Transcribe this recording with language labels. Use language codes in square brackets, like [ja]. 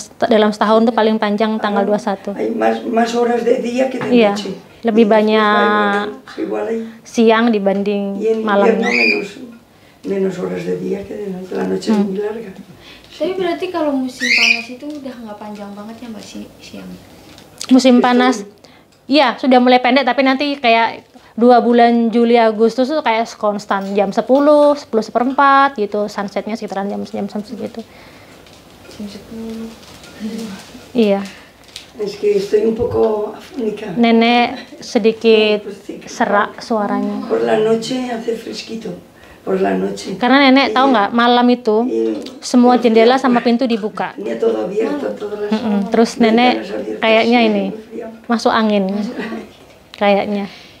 [id] Dalam setahun tuh paling panjang tanggal 21. [es] Hay más horas de día que de noche. [id] Lebih banyak siang dibanding malamnya. [es] Menos horas de día que de noche, la noche es muy larga. [id] Tapi berarti kalau musim panas itu udah nggak panjang banget ya mbak siang? Musim panas, iya sudah mulai pendek tapi nanti kayak 2 bulan Juli Agustus itu kayak konstan jam 10, 10 seperempat gitu, sunsetnya sekitaran jam-jam segitu. Jam 10. Iya. [es] Es que estoy un poco afónica. [id] Nenek sedikit serak suaranya. [es] Por la noche hace fresquito. Por la noche. [id] Karena nenek tahu nggak malam itu semua jendela sama pintu dibuka. [es] Ini todo abierto, todas las. [id] Terus nenek kayaknya ini masuk angin. Kayaknya.